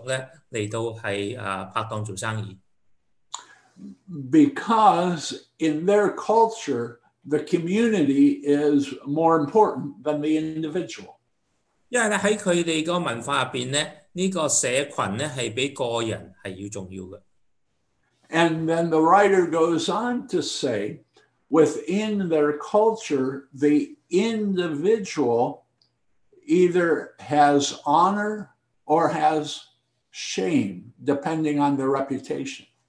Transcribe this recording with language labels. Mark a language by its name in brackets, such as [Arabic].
[Chinese] 就是中国大陆的人,他只会跟他一些亲属来到拍档做生意. [English] Because in their culture, the community is more important than the individual. [Chinese] 因为在他们的文化里面,这个社群是比个人要重要的. [English] And then the writer goes on to say, within their culture, the individual either has honor or has shame, depending on their reputation.